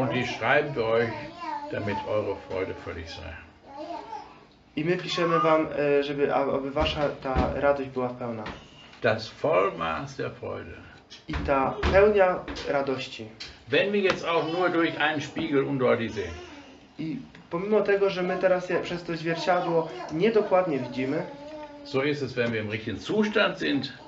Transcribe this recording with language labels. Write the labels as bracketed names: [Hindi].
[German] Und ich schreibe euch, damit eure Freude völlig sei. [Polish] I my piszemy wam, żeby aby wasza ta radość była pełna. [German] Das Vollmaß der Freude. [Polish] I ta pełnia radości. [German] Wenn wir jetzt auch nur durch einen Spiegel undeutlich sehen. [Polish] I pomimo tego, że my teraz przez to zwierciadło niedokładnie widzimy. [German] So ist es, wenn wir im richtigen Zustand sind.